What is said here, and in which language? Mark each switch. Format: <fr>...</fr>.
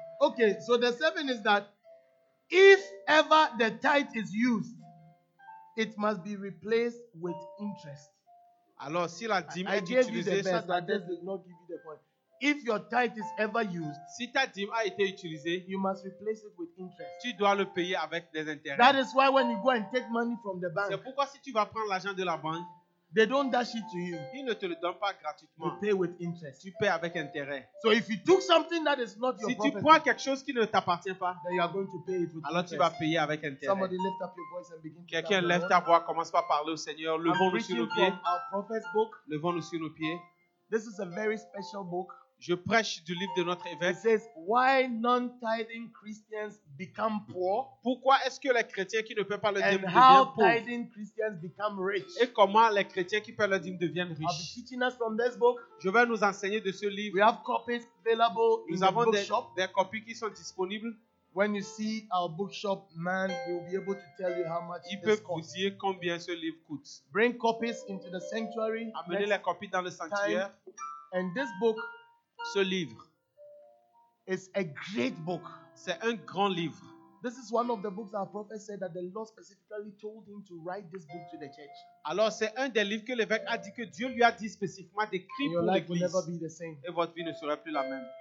<en>Okay, so the 7 is that if ever the tithe is used, it must be replaced with interest.</en> <fr>Alors, si la dîme est utilisée,</fr> <en>I gave you the best, but this did not give you the point. If your tithe is ever used,</en> <fr>si ta dîme a été utilisée,</fr> <en>you must replace it with interest.</en> <fr>Tu dois le payer avec des intérêts.</fr> <en>That is why when you go and take money from the bank,</en> <fr>c'est pourquoi si tu vas prendre l'argent de la banque,</fr> <en>they don't dash it to you.</en> <fr>Ils ne te le donnent pas gratuitement.</fr> <en>You pay with interest.</en> <fr>Tu payes avec intérêt.</fr> <en>So if you took something that is not your</en> <fr>si</fr> <en>property,</en> <fr>si tu prends quelque chose qui ne t'appartient pas,</fr> <en>then you are going to pay it with</en> <fr>alors</fr> <en>interest.</en> <fr>Alors tu vas payer avec intérêt.</fr> <en>Somebody lift up your voice and begin to</en> <fr>quelqu'un lève ta voix, commence par parler au Seigneur. Levons-nous sur nos pieds.</fr> <en>From our prophet's book.</en> <fr>Levons-nous sur nos pieds.</fr> <en>This is a very special book.</en> <fr>Je prêche du livre de notre évêque.</fr> <en>It says, why non-tithing Christians become poor?</en> <fr>Pourquoi est-ce que les chrétiens qui ne paient pas le dîme deviennent pauvres?</fr> <en>And how tithing Christians become rich?</en> <fr>Et comment les chrétiens qui paient le dîme deviennent riches?</fr> <en>I'll be teaching us from this book.</en> <fr>Je vais nous enseigner de ce livre.</fr> <en>We have copies available</en> <fr>nous</fr> <en>in</en> <fr>avons</fr> <en>the bookshop.</en> <fr>Des copies qui sont disponibles.</fr> <en>When you see our bookshop man, he will be able to tell you how much</en> <fr>il</fr> <en>this costs.</en> <fr>Il peut vous dire combien ce livre coûte.</fr> <en>Bring copies into the sanctuary.</en> <fr>Amenez les copies dans le sanctuaire.</fr> <en>Time. And this book,</en> <fr>ce livre,</fr> <en>is a great book.</en> <fr>C'est un grand livre.</fr> <en>This is one of the books our prophet said that the Lord specifically told him to write this book to the church.</en> <fr>Alors c'est un des livres que l'évêque a dit que Dieu lui a dit spécifiquement d'écrire pour l'église.</fr> <en>Your life will never be the same.</en> <fr>Et votre vie ne sera plus la même.</fr>